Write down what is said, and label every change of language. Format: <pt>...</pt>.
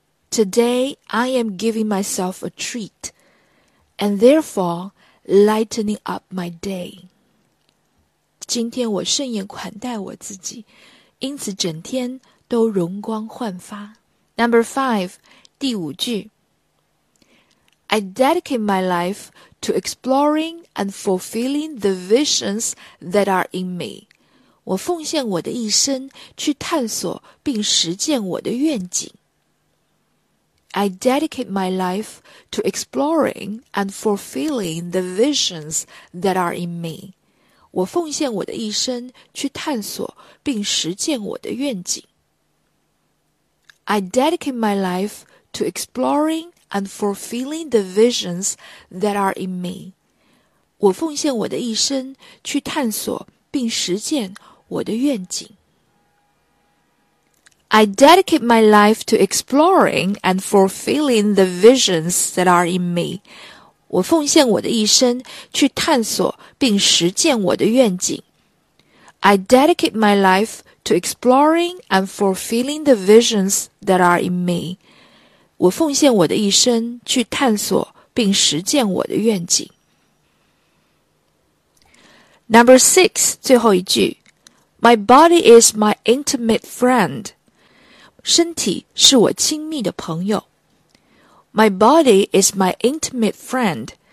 <en>Today, I am giving myself a treat, and therefore, lightening up my day.</en> <zh>今天我盛宴款待我自己，因此整天都容光焕发。</zh> <en>Number five,</en> <zh>第五句。</zh> <en>I dedicate my life to exploring and fulfilling the visions that are in me.</en> <zh>我奉献我的一生去探索并实践我的愿景。</zh> <en>I dedicate my life to exploring and fulfilling the visions that are in me.</en> <zh>我奉献我的一生去探索并实践我的愿景。</zh> <en>I dedicate my life to exploring and fulfilling the visions that are in me.</en> <zh>我奉献我的一生去探索并实践我的愿景。</zh> <en>I dedicate my life to exploring and fulfilling the visions that are in me.</en> <zh>我奉献我的一生去探索并实践我的愿景。</zh> <en>I dedicate my life to exploring and fulfilling the visions that are in me.</en> <zh>我奉献我的一生去探索并实践我的愿景。</zh> <en>Number six,</en> <zh>最后一句。</zh> <en>My body is my intimate friend.</en> <zh>身体是我亲密的朋友。</zh> <en>My body is my intimate friend.</en>